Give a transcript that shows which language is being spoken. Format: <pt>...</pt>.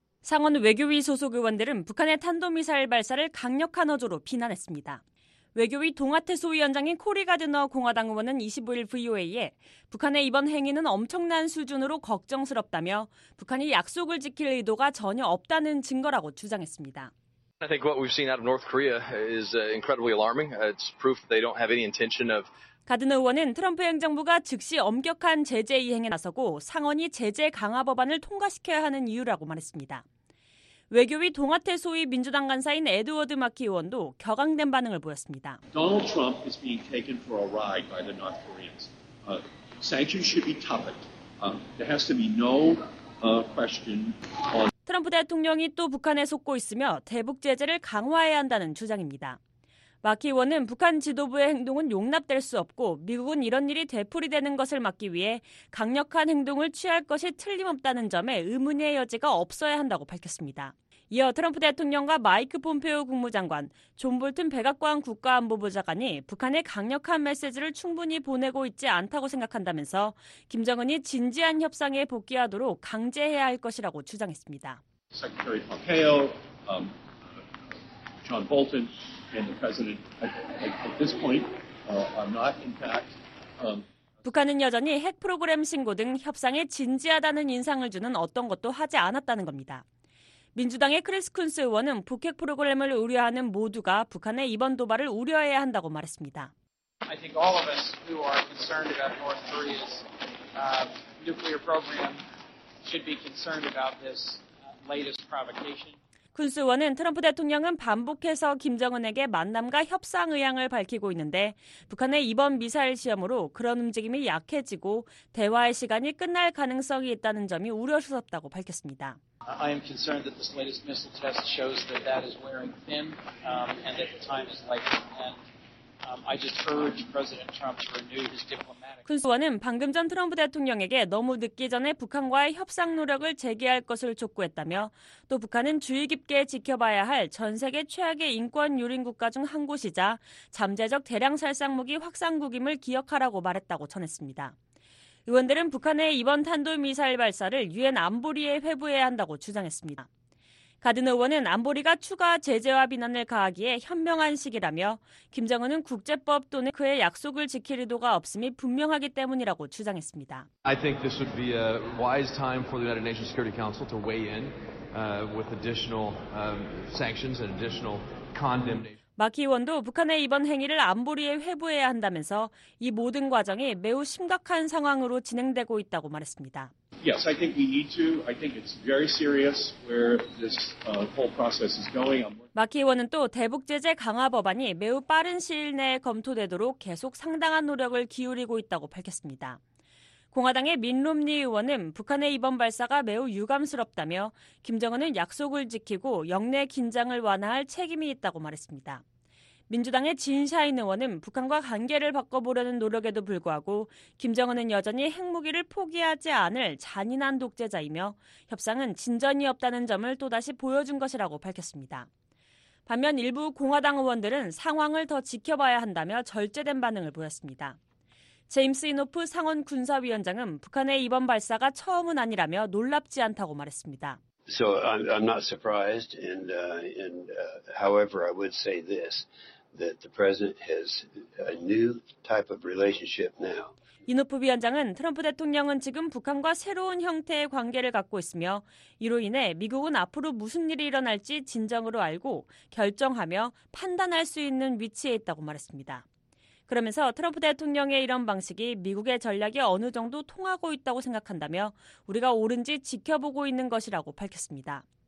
<ko>상원 외교위 소속 의원들은 북한의 탄도미사일 발사를 강력한 어조로 비난했습니다. 외교위 동아태 소위원장인 코리 가드너 공화당 의원은 25일 VOA에 북한의 이번 행위는 엄청난 수준으로 걱정스럽다며 북한이 약속을 지킬 의도가 전혀 없다는 증거라고 주장했습니다.</ko> <en>I think what we've seen out of North Korea is incredibly alarming. It's proof they don't have any intention of.</en> <ko>가드너 의원은 트럼프 행정부가 즉시 엄격한 제재 이행에 나서고 상원이 제재 강화 법안을 통과시켜야 하는 이유라고 말했습니다. 외교위 동아태 소위 민주당 간사인 에드워드 마키 의원도 격앙된 반응을 보였습니다.</ko> <en>Donald Trump is being taken for a ride by the North Koreans. Sanctions should be toughened. There has to be no question on.</en> <ko>트럼프 대통령이 또 북한에 속고 있으며 대북 제재를 강화해야 한다는 주장입니다. 마키 의원은 북한 지도부의 행동은 용납될 수 없고 미국은 이런 일이 되풀이되는 것을 막기 위해 강력한 행동을 취할 것이 틀림없다는 점에 의문의 여지가 없어야 한다고 밝혔습니다. 이어 트럼프 대통령과 마이크 폼페오 국무장관, 존 볼튼 백악관 국가안보보좌관이 북한에 강력한 메시지를 충분히 보내고 있지 않다고 생각한다면서 김정은이 진지한 협상에 복귀하도록 강제해야 할 것이라고 주장했습니다.</ko> <en>Secretary Pompeo, John Bolton and the president at this point are not in fact.</en> <ko>북한은 여전히 핵 프로그램 신고 등 협상에 진지하다는 인상을 주는 어떤 것도 하지 않았다는 겁니다. 민주당의 크리스 쿤스 의원은 북핵 프로그램을 우려하는 모두가 북한의 이번 도발을 우려해야 한다고 말했습니다.</ko> <en>I think all of us who are concerned about North Korea's nuclear program should be concerned about this latest provocation.</en> <ko>쿤스 의원은 트럼프 대통령은 반복해서 김정은에게 만남과 협상 의향을 밝히고 있는데 북한의 이번 미사일 시험으로 그런 움직임이 약해지고 대화의 시간이 끝날 가능성이 있다는 점이 우려스럽다고 밝혔습니다.</ko> <en>I am concerned that this latest missile test shows that that is wearing thin and that the time is likely to end. I just urge President Trump to renew his diplomatic.</en> <ko>쿤스 의원은 방금 전 트럼프 대통령에게 너무 늦기 전에 북한과의 협상 노력을 재개할 것을 촉구했다며 또 북한은 주의 깊게 지켜봐야 할 전 세계 최악의 인권 유린 국가 중 한 곳이자 잠재적 대량 살상무기 확산국임을 기억하라고 말했다고 전했습니다. 의원들은 북한의 이번 탄도미사일 발사를 유엔 안보리에 회부해야 한다고 주장했습니다. 가든 의원은 안보리가 추가 제재와 비난을 가하기에 현명한 시기라며 김정은은 국제법 또는 그의 약속을 지킬 의도가 없음이 분명하기 때문이라고 주장했습니다.</ko> <en>I think this would be a wise time for the United Nations Security Council to weigh in with additional sanctions and additional condemnation.</en> <ko>마키 의원도 북한의 이번 행위를 안보리에 회부해야 한다면서 이 모든 과정이 매우 심각한 상황으로 진행되고 있다고 말했습니다.</ko> <en>Yes, I think we need to. I think it's very serious where this whole process is going.</en> <ko>마키 의원은 또 대북 제재 강화 법안이 매우 빠른 시일 내에 검토되도록 계속 상당한 노력을 기울이고 있다고 밝혔습니다. 공화당의 민 롬니 의원은 북한의 이번 발사가 매우 유감스럽다며 김정은은 약속을 지키고 역내 긴장을 완화할 책임이 있다고 말했습니다. 민주당의 진샤인 의원은 북한과 관계를 바꿔보려는 노력에도 불구하고 김정은은 여전히 핵무기를 포기하지 않을 잔인한 독재자이며 협상은 진전이 없다는 점을 또다시 보여준 것이라고 밝혔습니다. 반면 일부 공화당 의원들은 상황을 더 지켜봐야 한다며 절제된 반응을 보였습니다. 제임스 이노프 상원 군사위원장은 북한의 이번 발사가 처음은 아니라며 놀랍지 않다고 말했습니다.</ko> <en>So I'm not surprised, and however, I would say this, that the president has a new type of relationship now.</en> <ko>이노프 위원장은 트럼프 대통령은 지금 북한과 새로운 형태의 관계를 갖고 있으며 이로 인해 미국은 앞으로 무슨 일이 일어날지 진정으로 알고 결정하며 판단할 수 있는 위치에 있다고 말했습니다. 그러면서 트럼프 대통령의 이런 방식이 미국의 전략이 어느 정도 통하고 있다고 생각한다며 우리가 옳은지 지켜보고 있는 것이라고 밝혔습니다.</ko>